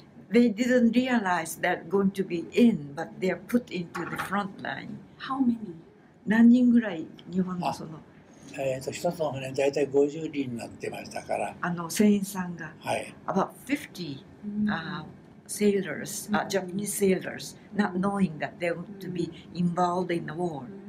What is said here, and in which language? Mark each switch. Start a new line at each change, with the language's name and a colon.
English: They didn't realize they're going to be in, but they're put into the front line. How many?
Japanese: 何人ぐらい日本のその。一つの船大体50人になってましたから。船員さんが。はい。
English: About 50. Sailors, Japanese sailors, not knowing that they would to be involved in the war.